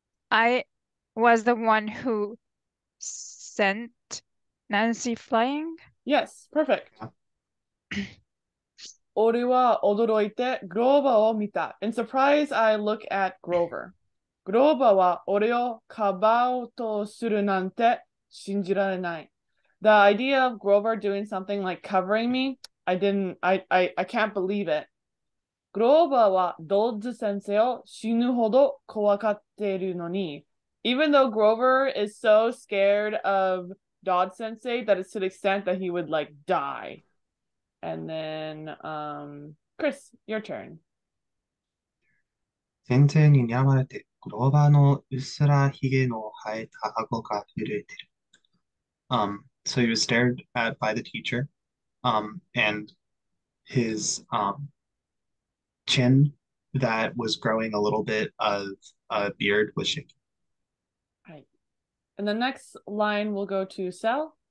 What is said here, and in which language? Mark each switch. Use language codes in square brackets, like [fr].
[en] I was the one who sent Nancy flying. Yes, perfect. [ja] 俺は驚いてグローバーを見た。 [en] In surprise, I look at Grover. [ja] グローバーは俺をかばおうとするなんて信じられない。 [en] The idea of Grover doing something like covering me, I can't believe it. [ja] グローバーはドッズ先生を死ぬほど怖がっているのに。 [en] Even though Grover is so scared of Dodd sensei, that is to the extent that he would like die. And then, Chris, your turn. [ja] 先生ににらまれて、グローバーのうっすらひげの生えた顎が震えてる。 [en] So he was stared at by the teacher, and his chin that was growing a little bit of a beard was shaking. And the next line will go to Sel.